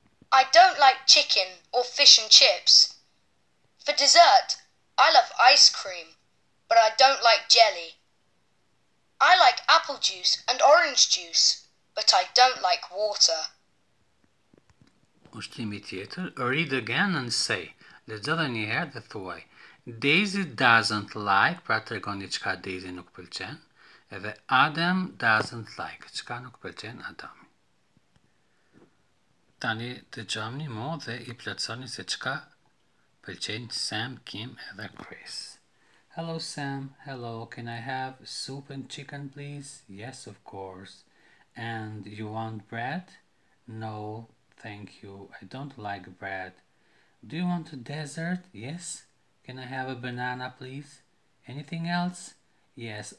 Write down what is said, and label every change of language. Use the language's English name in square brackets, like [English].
[English] I don't like chicken or fish and chips. For dessert, I love ice cream, but I don't like jelly. I like apple juice and orange juice, but I don't like water. [Albanian] Ushtrimi tjetër, [English] read again and say. [Albanian] Lexo edhe një herë dhe thuaj. [English] Daisy doesn't like, [Albanian] pra tregoni çka Daisy nuk pëlqen. Edhe Adam [English] doesn't like, [Albanian] çka nuk pëlqen Adami. Tani të gjamni mo dhe i plotësoni se çka pëlqen Sam, Kim edhe Chris. [English] Hello Sam, hello, can I have soup and chicken please? Yes, of course. And you want bread? No. Thank you. I don't like bread. Do you want a dessert? Yes. Can I have a banana, please? Anything else? Yes.